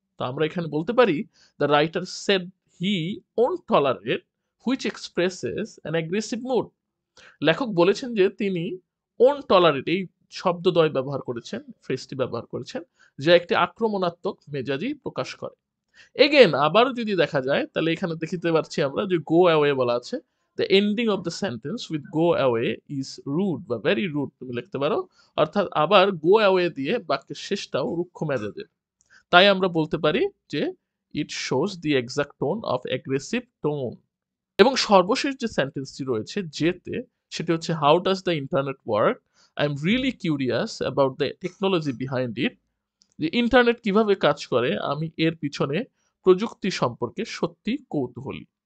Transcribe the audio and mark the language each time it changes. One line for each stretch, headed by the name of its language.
Bangla: তো আমরা এখানে বলতে পারি,
English: The writer said he won't tolerate which expresses an aggressive mood.
Bangla: লেখক বলেছেন যে তিনি ওন টলারেট, এই শব্দদ্বয় ব্যবহার করেছেন, ফ্রেজটি ব্যবহার করেছেন, যা একটি আক্রমণাত্মক মেজাজই প্রকাশ করে। এগেন আবার যদি দেখা যায় তাহলে এখানে দেখতে পারছি আমরা যে
English: go away
Bangla: বলা আছে।
English: The ending of the sentence with go away is rude, but very rude.
Bangla: তুমি লিখতে পারো, অর্থাৎ আবার
English: go away
Bangla: দিয়ে বাক্যের শেষটাও রুক্ষ মেজাজের। তাই আমরা বলতে পারি যে
English: it shows the exact tone of aggressive tone.
Bangla: এবং সর্বশেষ যে সেন্টেন্সটি রয়েছে যেতে, সেটি হচ্ছে
English: How does the internet work. I am really curious about the technology behind it,
Bangla: যে ইন্টারনেট কিভাবে কাজ করে, আমি এর পিছনে প্রযুক্তি সম্পর্কে সত্যি কৌতূহলী।